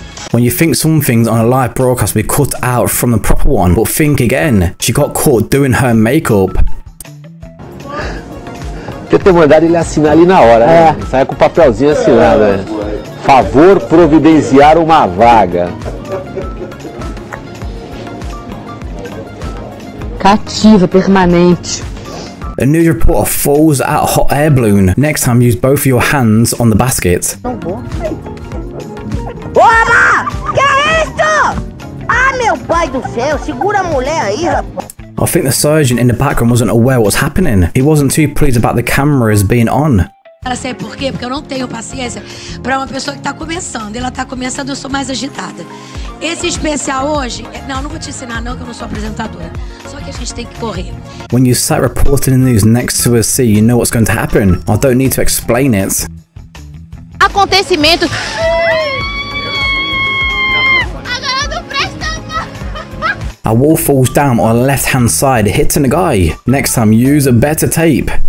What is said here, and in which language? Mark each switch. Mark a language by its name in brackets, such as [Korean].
[English] When you think something's on a live broadcast will be cut out from the proper one, but think again, she got caught doing her makeup. [Portuguese] Tem que mandar ele assinar ali na hora, né? Sai com o papelzinho assinado, né? Favor providenciar uma vaga. Cativa, permanente. [English] A news reporter falls out a hot air balloon. Next time, use both of your hands on the basket. [Portuguese] Opa! Que é isso? Ah, meu pai do céu, segura a mulher aí, rapaz. [English] I think the surgeon in the background wasn't aware what was happening. He wasn't too pleased about the cameras being on. [Portuguese] Sabe por quê? Porque eu não tenho paciência para uma pessoa que tá começando. Ela tá começando, eu sou mais agitada. Esse especial hoje, não, não vou te ensinar não, que eu não sou apresentadora. Só que a gente tem que correr. [English] When you start reporting the news next to a sea, you know what's going to happen. I don't need to explain it. [Portuguese] Acontecimento. [English] A wall falls down on the left hand side, hitting a guy. Next time, use a better tape.